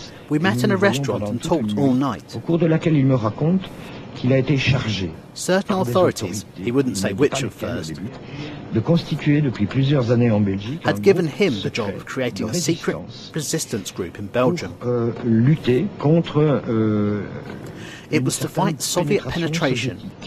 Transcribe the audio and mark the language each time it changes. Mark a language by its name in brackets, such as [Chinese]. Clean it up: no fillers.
[English] We met in a restaurant and talked all night. [French] Au cours de laquelle il me raconte qu'il a été chargé. [English] Certain authorities, he wouldn't say which at first, [French] de constituer depuis plusieurs années en Belgique, [English] had given him the job of creating a secret resistance group in Belgium. [French] Lutter contre. [English] It was to fight Soviet penetration.